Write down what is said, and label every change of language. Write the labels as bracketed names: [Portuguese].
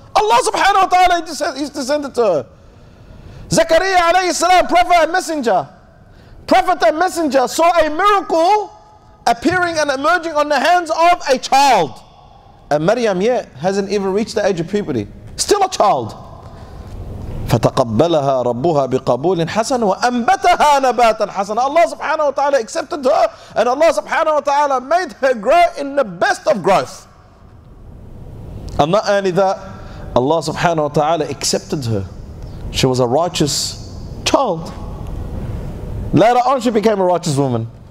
[English] Allah subhanahu wa ta'ala used to send it to her. Zakaria alayhi salam, prophet and messenger. Prophet and messenger saw a miracle appearing and emerging on the hands of a child. And Maryam yet hasn't even reached the age of puberty. Still a child. [Arabic] فتقبلها ربها بقبول حسن وأنبتها نباتا حسنا. [English] Allah subhanahu wa ta'ala accepted her and Allah subhanahu wa ta'ala made her grow in the best of growth. And not only that, Allah subhanahu wa ta'ala accepted her. She was a righteous child. Later on she became a righteous woman.